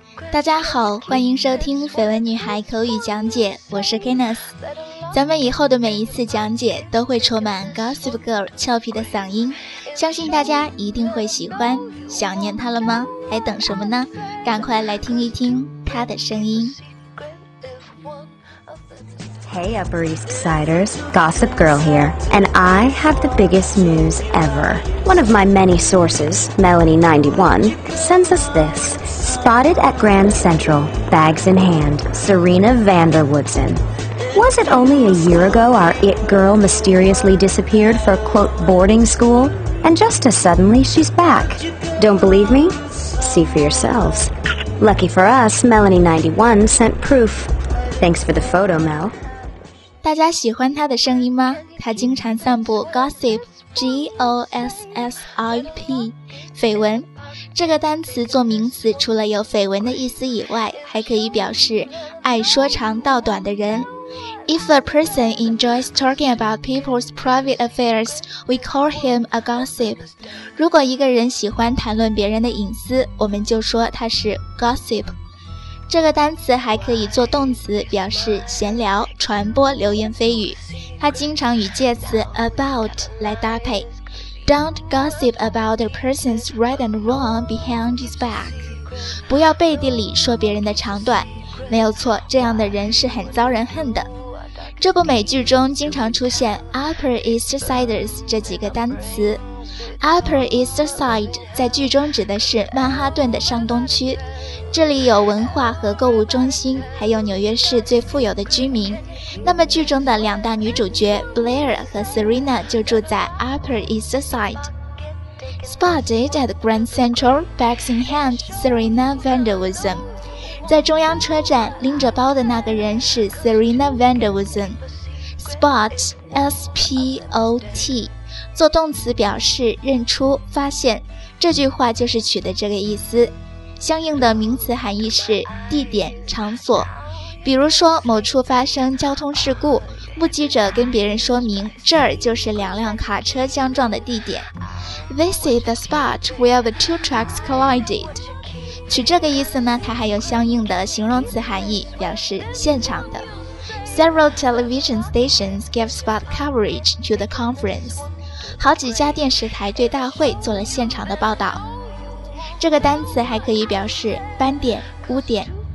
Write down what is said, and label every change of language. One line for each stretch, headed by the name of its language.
Chinese: 大家好，欢迎收听绯闻女孩口语讲解，我是 Kenneth。咱们以后的每一次讲解都会充满 Gossip Girl 俏皮的嗓音，相信大家一定会喜欢。想念她了吗？还等什么呢？赶快来听一听她的声音。
English: Hey Upper East Siders, Gossip Girl here, and I have the biggest news ever. One of my many sources, Melanie91, sends us this. Spotted at Grand Central, bags in hand, Serena Vanderwoodsen. Was it only a year ago our it girl mysteriously disappeared for, quote, boarding school? And just as suddenly, she's back. Don't believe me? See for yourselves. Lucky for us, Melanie91 sent proof. Thanks for the photo, Mel.
Chinese: 大家喜欢他的声音吗？他经常散布 gossip,G-O-S-S-I-P, 绯闻。这个单词做名词除了有绯闻的意思以外，还可以表示爱说长道短的人。
English: If a person enjoys talking about people's private affairs, we call him a gossip.
Chinese: 如果一个人喜欢谈论别人的隐私，我们就说他是 gossip。这个单词还可以做动词，表示闲聊、传播流言蜚语。它经常与介词 about 来搭配。
English: Don't gossip about a person's right and wrong behind his back.
Chinese: 不要背地里说别人的长短。没有错，这样的人是很遭人恨的。这部美剧中经常出现 Upper East Siders 这几个单词。 Upper East Side 在剧中指的是曼哈顿的上东区，这里有文化和购物中心，还有纽约市最富有的居民。那么剧中的两大女主角 Blair 和 Serena 就住在 Upper East Side。
English: Spotted at Grand Central, bags in hand, Serena Vanderwoodsen。
Chinese: 在中央车站拎着包的那个人是 Serena Vanderwoodsen。 Spot, S-P-O-T，做动词表示认出、发现，这句话就是取的这个意思。相应的名词含义是地点、场所。比如说某处发生交通事故，目击者跟别人说明这儿就是两辆卡车相撞的地点。
English: This is the spot where the two trucks collided.
Chinese: 取这个意思呢，它还有相应的形容词含义，表示现场的。
English: Several television stations gave spot coverage to the conference.
Chinese: 好几家电视台对大会做了现场的报道。这个单词还可以表示斑点、污点。